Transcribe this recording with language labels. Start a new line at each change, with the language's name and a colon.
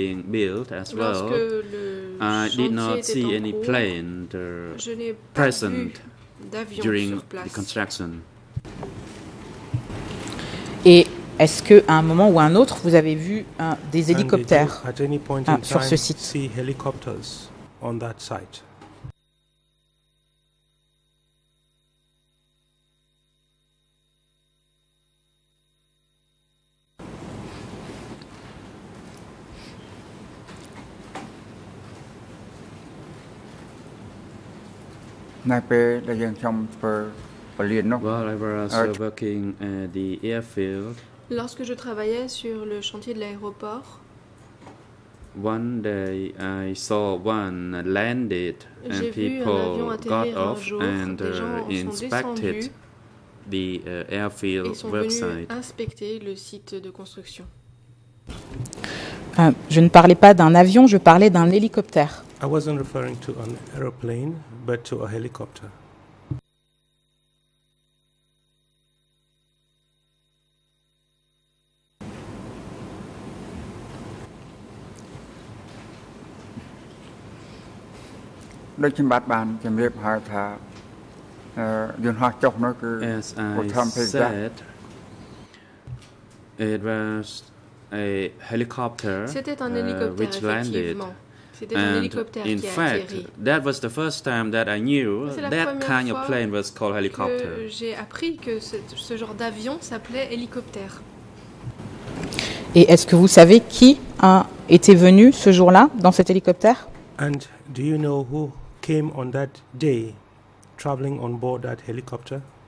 English: I did not see any plane present during the construction.
French: Et est-ce que à un moment ou à un autre vous avez vu des hélicoptères sur ce site?
English: See helicopters on that site. While I was working at the airfield,
French: lorsque je travaillais sur le chantier de l'aéroport,
English: one day I saw one landed and people got off and inspected the airfield website.
French: Inspecter le site de construction. Je ne parlais pas d'un avion, je parlais d'un hélicoptère.
English: I wasn't referring to an aeroplane, but to a helicopter. As I said, it was a helicopter which landed. And in fact,
French: atterri.
English: That was the first time that I knew that kind of plane was called helicopter.
French: J'ai appris que ce genre d'avion s'appelait hélicoptère. Et est-ce que vous savez qui a été venu ce jour-là dans cet hélicoptère?
English: And do you know who came on that day, traveling on board that helicopter?